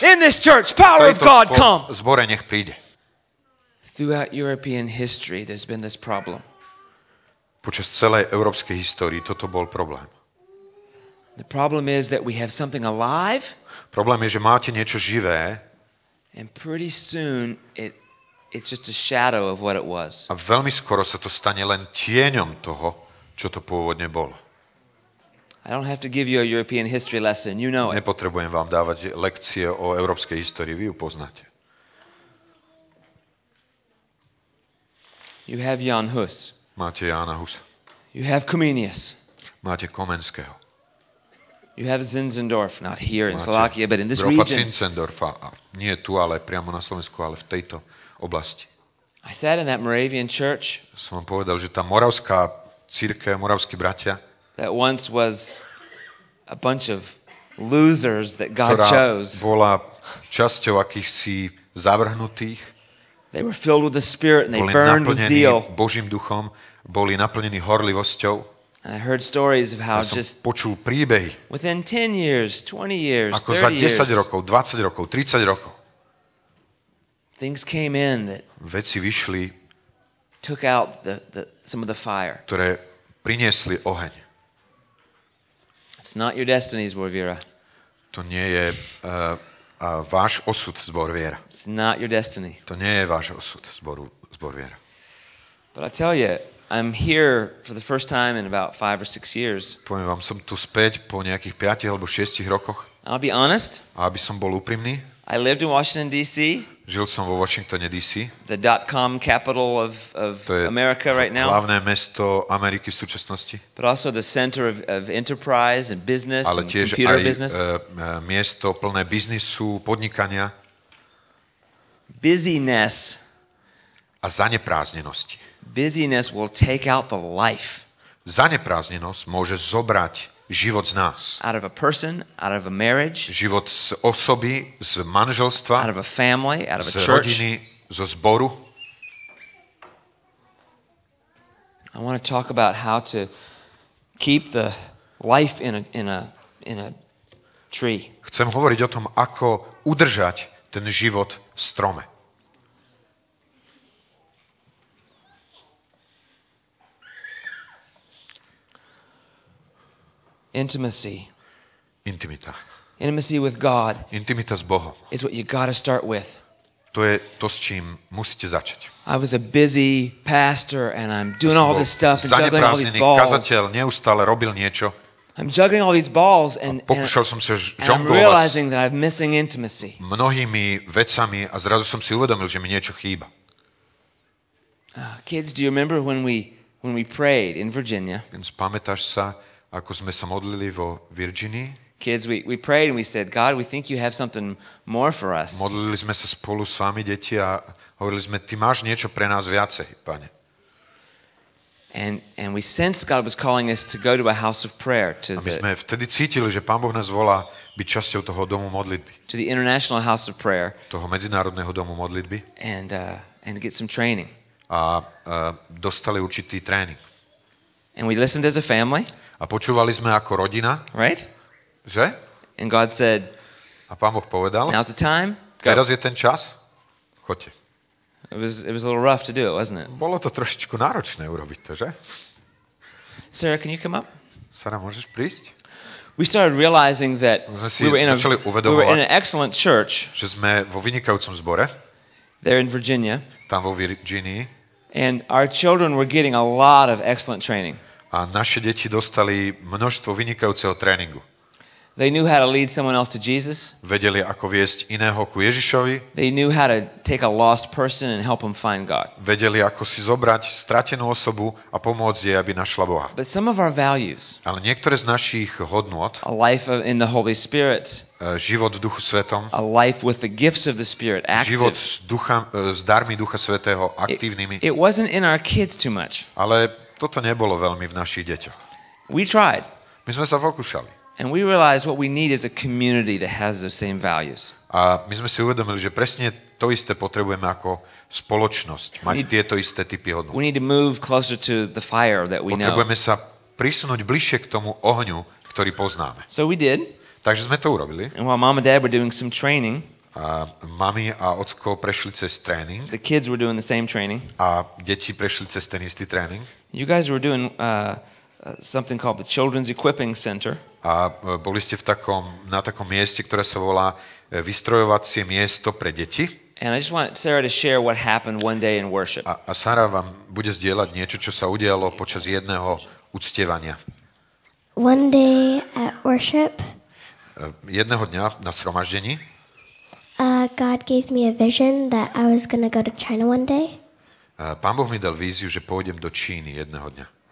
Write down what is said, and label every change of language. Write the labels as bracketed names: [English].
[English] In this church, power of God, come. [Slovak] V zbore nech príde. [English] Throughout European history, there's been this problem. [Slovak] Počas celej európskej histórii toto bol problém. [English] The problem is that we have something alive. [Slovak] Problém je, že máte niečo živé. [English] And pretty soon it's just a shadow of what it was. [Slovak] A veľmi skoro sa to stane len tieňom toho, čo to pôvodne bolo. [English] I don't have to give you a European history lesson, you know it. [Slovak] Nepotrebujem vám dávať lekcie o európskej histórii, vy ju poznáte. [English] You have Jan Hus. [Slovak] Máte Jána Husa. [English] You have Comenius. [Slovak] Máte Komenského. [English] You have Zinzendorf, not here in Slovakia, but in this [Slovak] Grofa [English] region. [Slovak] Zinzendorfa, nie tu, ale priamo na Slovensku, ale v tejto oblasti. [English] I sat in that Moravian church. [Slovak] Som vám povedal, že tá moravská cirkev, moravskí bratia. [English] That once was a bunch of losers that God chose. [Slovak] Bola časťou akýchsi zavrhnutých. [English] They were filled with the Spirit and they burned with zeal. [Slovak] Boli naplnení Božím duchom, boli naplnení horlivosťou. [English] I heard stories of how just [Slovak] počul príbehy. [English] Within 10 years, 20 years, 30 years. [Slovak] Ako za 10 rokov, 20 rokov, 30 rokov. [English] Things came in that [Slovak] veci vyšli. [English] Took out the some of the fire. [Slovak] Ktoré priniesli oheň. [English] It's not your destiny, zbor viera. [Slovak] To nie je váš osud, zbor viera. [English] It's not your destiny. [Slovak] To nie je váš osud, zbor viera. [English] But I tell you, I'm here for the first time in about 5 or 6 years. [Slovak] Poviem vám, som tu späť po nejakých 5 alebo 6 rokoch. [English] I'll be honest. [Slovak] A aby som bol úprimný. [English] I lived in Washington DC. [Slovak] Žil som vo Washingtone DC. [English] The dot-com capital of America right now. [Slovak] Hlavné mesto Ameriky v súčasnosti. [English] But also the center of enterprise and business and computer business. [Slovak] Ale tiež aj miesto plné biznisu, podnikania. [English] Busyness. [Slovak] A zanepráznenosť. [English] Busyness will take out the life. [Slovak] Zanepráznenosť môže zobrať život z nás. [English] Out of a person, out of a marriage. [Slovak] Život z osoby, z manželstva. [English] Out of a family, out of a church. [Slovak] Z rodiny, zo zboru. [English] I want to talk about how to keep the life in a tree. [Slovak] Chcem hovoriť o tom, ako udržať ten život v strome. [English] Intimacy. [Slovak] Intimita. [English] Intimacy with God. [Slovak] Intimita s Bohom. [English] Is what you got to start with. [Slovak] To je to, s čím musíte začať. [English] I was a busy pastor and I'm doing all this stuff and juggling all these balls. [Slovak] Kazateľ neustále robil niečo. [English] I'm juggling all these balls and [Slovak] pokúšal som sa žonglovať. [English] Realizing that I'm missing intimacy. [Slovak] Mnohými vecami a zrazu som si uvedomil, že mi niečo chýba. [English] Kids, do you remember when we prayed in Virginia? [Slovak] Pamätáš sa, ako sme sa modlili vo Virginii? [English] Kids, we prayed and we said, God, we think you have something more for us. [Slovak] Modlili sme sa spolu s vami, deti, a hovorili sme, ty máš niečo pre nás viacej, Pane. [English] And we sensed God was calling us to go to a house of prayer to the. [Slovak] A my sme vtedy cítili, že Pán Boh nás volá byť časťou toho domu modlitby. [English] To the International House of Prayer. [Slovak] Toho medzinárodného domu modlitby. [English] And get some training. [Slovak] A dostali určitý tréning. [English] And we listened as a family. [Slovak] A počúvali sme ako rodina. [English] Right? [Slovak] Že? [English] And God said, [Slovak] a Pán Boh povedal, [English] now's the time. [Slovak] Teraz je ten čas. Choďte. [English] It was a little rough to do it, wasn't it? [Slovak] Bolo to trošičku náročné urobiť to, že? [English] Sarah, can you come up? [Slovak] Sarah, môžeš prísť? [English] We started realizing that we were in an excellent church. [Slovak] Že sme vo vynikajúcom zbore. [English] There in Virginia. [Slovak] Tam vo Virginii. [English] And our children were getting a lot of excellent training. [Slovak] A naše deti dostali množstvo vynikajúceho tréningu. [English] They knew how to lead someone else to Jesus. [Slovak] Vedeli, ako viesť iného ku Ježišovi. [English] They knew how to take a lost person and help him find God. [Slovak] Vedeli, ako si zobrať stratenú osobu a pomôcť jej, aby našla Boha. [English] But some of our values. [Slovak] Ale niektoré z našich hodnôt. [English] A life in the Holy Spirit. [Slovak] Život v Duchu Svetom. [English] A life with the gifts of the Spirit active. [Slovak] Život s darmi Ducha Svätého aktívnymi. [English] It wasn't in our kids too much. [Slovak] Ale toto nebolo veľmi v našich deťoch. [English] We tried. [Slovak] My sme sa pokúšali. [English] And we realized what we need is a community that has the same values. [Slovak] A my sme si uvedomili, že presne to isté potrebujeme ako spoločnosť, mať tieto isté typy hodnot. [English] We need to move closer to the fire that we know. [Slovak] Potrebujeme sa prisunúť bližšie k tomu ohňu, ktorý poznáme. [English] So we did. [Slovak] Takže sme to urobili. [English] And while mom and dad were doing some training. [Slovak] A mami a otcko prešli cez tréning. [English] The kids were doing the same training. [Slovak] A deti prešli cez ten istý tréning. [English] You guys were doing something called the Children's Equipping Center. [Slovak] A boli ste na takom mieste, ktoré sa volá vystrojovacie miesto pre deti. [English] And I just want Sarah to share what happened one day in worship. [Slovak] A Sarah vám bude zdieľať niečo, čo sa udialo počas jedného uctievania. [English] One day at worship. [Slovak] Jedného dňa na shromaždení. [English] God gave me a vision that I was going to go to China one day. [Slovak] Pán Boh mi dal víziu, že pôjdem do Číny jedného dňa.